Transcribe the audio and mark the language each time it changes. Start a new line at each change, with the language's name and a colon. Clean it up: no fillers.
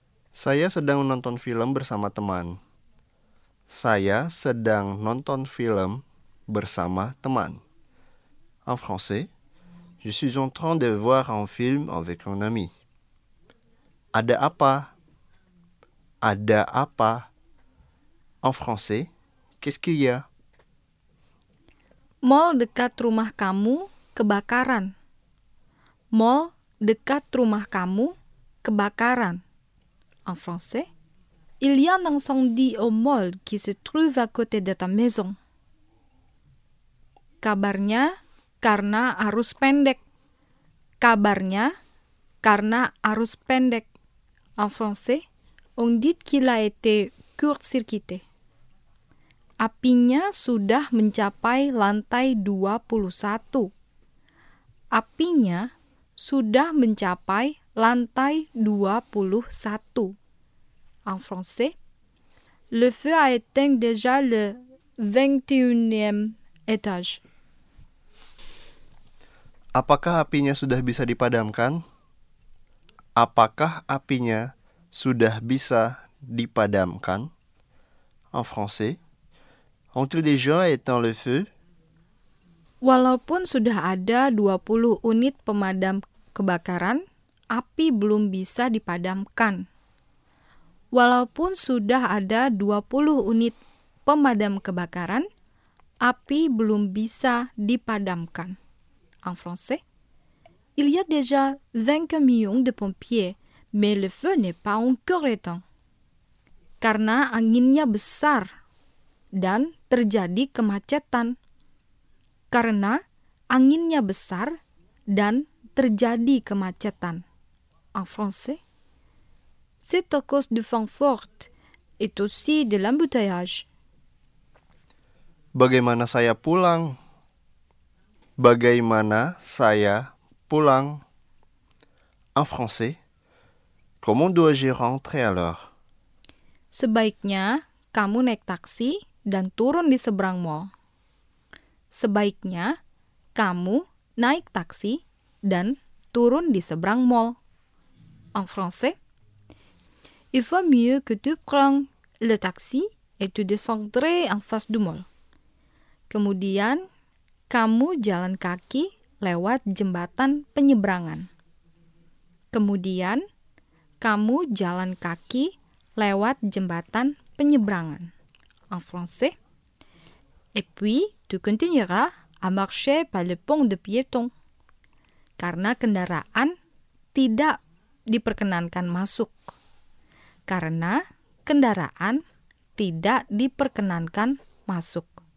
Indonesian: Saya sedang menonton film bersama teman. Saya sedang nonton film bersama teman.
French: En français, je suis en train de voir un film avec un ami.
Indonesian: Ada apa? Ada apa?
French: En français, qu'est-ce qu'il y a?
Indonesian: Mall dekat rumah kamu kebakaran. Mall dekat rumah kamu kebakaran.
French: En français, il y a un incendie au mall qui se trouve à côté de ta maison.
Indonesian: Kabarnya karena arus pendek. Kabarnya karena arus pendek.
French: En français, on dit qu'il a été court-circuité.
Indonesian: Apinya sudah mencapai lantai 21. Apinya sudah mencapai lantai 21.
French: En français, le feu a éteint déjà le 21e étage.
Indonesian: Apakah apinya sudah bisa dipadamkan? Apakah apinya sudah bisa dipadamkan?
French: En français, ont-ils déjà éteint le feu?
Indonesian: Walaupun sudah ada 20 unit pemadam kebakaran, api belum bisa dipadamkan. Walaupun sudah ada 20 unit pemadam kebakaran, api belum bisa dipadamkan.
French: En français, il y a déjà 20 camions de pompiers, mais le feu n'est pas encore éteint.
Indonesian: Karena anginnya besar dan terjadi kemacetan. Karena anginnya besar dan terjadi kemacetan.
French: En français, c'est à cause de vent fort et aussi de l'embouteillage.
Indonesian: Bagaimana saya pulang? Bagaimana saya pulang?
French: En français, comment dois-je rentrer alors?
Indonesian: Sebaiknya kamu naik taksi dan turun di seberang mall. Sebaiknya kamu naik taksi dan turun di seberang mall.
French: En français, il vaut mieux que tu prennes le taxi et tu descendrais en face du mall.
Indonesian: Kemudian, kamu jalan kaki lewat jembatan penyeberangan. Kemudian, kamu jalan kaki lewat jembatan penyeberangan.
French: En français, et puis tu continueras à marcher par le pont de piéton.
Indonesian: Karena kendaraan tidak diperkenankan masuk. Karena kendaraan tidak diperkenankan masuk.